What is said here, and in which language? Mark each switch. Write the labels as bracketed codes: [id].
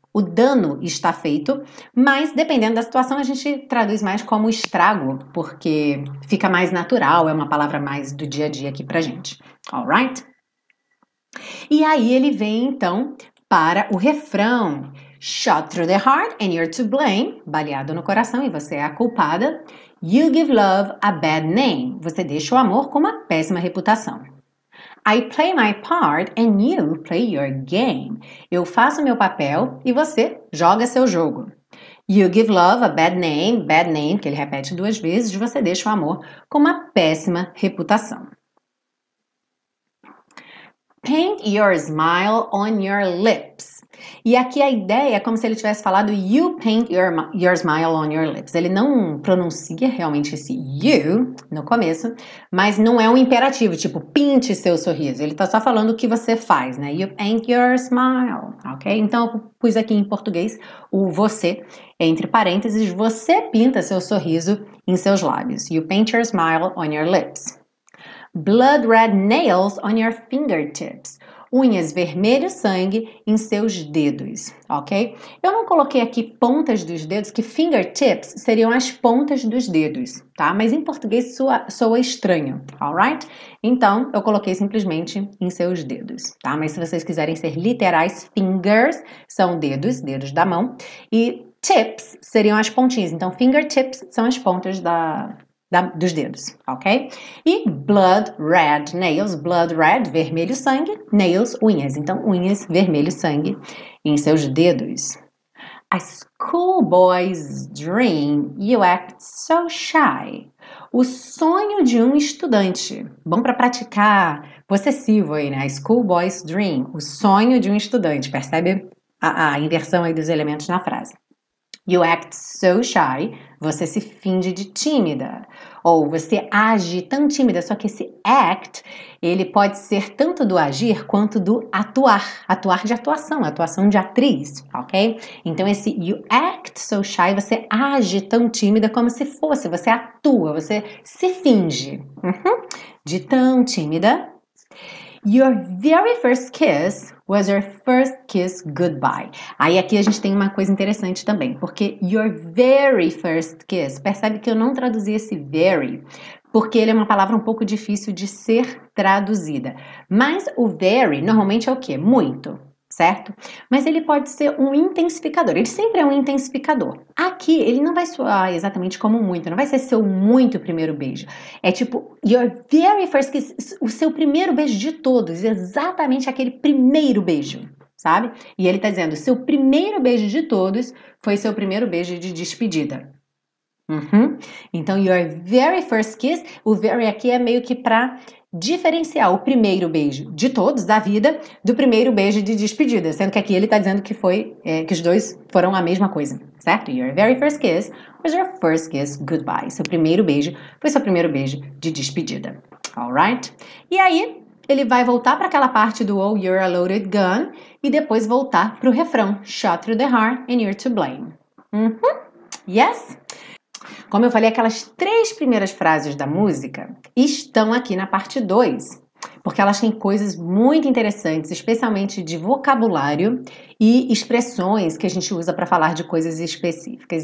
[pt] O dano está feito, mas dependendo da situação, a gente traduz mais como estrago, porque fica mais natural, é uma palavra mais do dia a dia aqui pra gente. Alright? E aí ele vem então para o refrão: [en] Shot through the heart and you're to blame. [pt] Baleado no coração e você é a culpada. [en] You give love a bad name. [pt] Você deixa o amor com uma péssima reputação. [en] I play my part and you play your game. [pt] Eu faço meu papel e você joga seu jogo. [en] You give love a bad name, [pt] que ele repete duas vezes, você deixa o amor com uma péssima reputação. [en] Paint your smile on your lips. [pt] E aqui a ideia é como se ele tivesse falado [en] you paint your smile on your lips. [pt] Ele não pronuncia realmente esse you no começo, mas não é um imperativo, tipo pinte seu sorriso. Ele está só falando o que você faz, né? [en] You paint your smile, [pt] ok? Então eu pus aqui em português o você entre parênteses. Você pinta seu sorriso em seus lábios. [en] You paint your smile on your lips. Blood red nails on your fingertips. [pt] Unhas vermelho sangue em seus dedos, ok? Eu não coloquei aqui pontas dos dedos, que fingertips seriam as pontas dos dedos, tá? Mas em português soa estranho, alright? Então eu coloquei simplesmente em seus dedos, tá? Mas se vocês quiserem ser literais, fingers são dedos, dedos da mão, e tips seriam as pontinhas. Então fingertips são as pontas dos dedos, ok? E [en] blood red nails, [pt] blood red, vermelho sangue, nails, unhas. Então, unhas, vermelho sangue em seus dedos. [en] A schoolboy's dream, you act so shy. [pt] O sonho de um estudante. Bom para praticar. Possessivo aí, né? Schoolboy's dream. O sonho de um estudante. Percebe a inversão aí dos elementos na frase. [en] You act so shy. [pt] Você se finge de tímida. Ou você age tão tímida. Só que esse act, ele pode ser tanto do agir quanto do atuar. Atuar de atuação, atuação de atriz, ok? Então, esse [en] you act so shy, [pt] você age tão tímida como se fosse. Você atua, você se finge. De tão tímida. [en] Your very first kiss was your first kiss goodbye. [pt] Aí aqui a gente tem uma coisa interessante também, porque [en] your very first kiss, [pt] percebe que eu não traduzi esse very, porque ele é uma palavra um pouco difícil de ser traduzida. Mas o very normalmente é o quê? Muito, certo? Mas ele pode ser um intensificador. Ele sempre é um intensificador. Aqui ele não vai soar exatamente como muito, não vai ser seu muito primeiro beijo. É tipo [en] your very first kiss, [pt] o seu primeiro beijo de todos, exatamente aquele primeiro beijo, sabe? E ele tá dizendo, seu primeiro beijo de todos foi seu primeiro beijo de despedida. Então [en] your very first kiss, [pt] o very aqui é meio que para diferenciar o primeiro beijo de todos da vida do primeiro beijo de despedida, sendo que aqui ele está dizendo que foi que os dois foram a mesma coisa, certo? [en] Your very first kiss was your first kiss goodbye. [pt] Seu primeiro beijo foi seu primeiro beijo de despedida. All right? E aí ele vai voltar para aquela parte do [en] Oh, you're a loaded gun [pt] e depois voltar para o refrão [en] Shot through the heart and you're to blame. [pt] Yes? Como eu falei, aquelas três primeiras frases da música estão aqui na parte 2, porque elas têm coisas muito interessantes, especialmente de vocabulário e expressões que a gente usa para falar de coisas específicas.